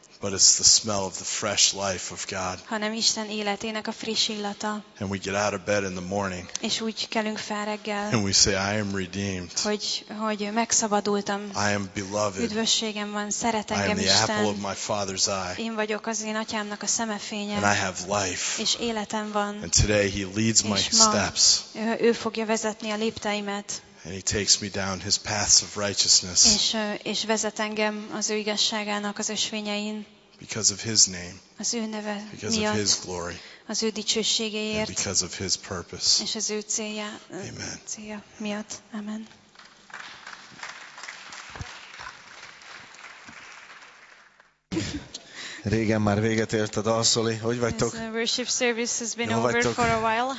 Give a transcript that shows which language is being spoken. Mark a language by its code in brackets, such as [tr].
[en] But it's the smell of the fresh life of God. [hu] Hanem Isten életének a friss illata. [en] And we get out of bed in the morning. [hu] És úgy kelünk fel reggel. [en] And we say, I am redeemed. [hu] Hogy megszabadultam. [en] I am beloved. [hu] Üdvösségem van, szeretek Isten. [en] I am the apple of my father's eye. [hu] Én vagyok az én atyámnak a szemefénye. [en] And I have life. [hu] És életem van. [en] And today he leads my steps. [hu] Ő fogja vezetni a lépteimet. [en] And he takes me down his paths of righteousness. [hu] És vezet engem az ő igazságának az ösvényein. [en] Because of his name. [hu] Az ő neve miatt. [en] Because of his glory. [hu] Az ő dicsőségéért. [en] And because of his purpose. [hu] És az ő célja. Amen. Célja miatt. Amen. Régen már véget ért a dal, Szoli. Hogy vagytok? [en] The worship service has been over for a while.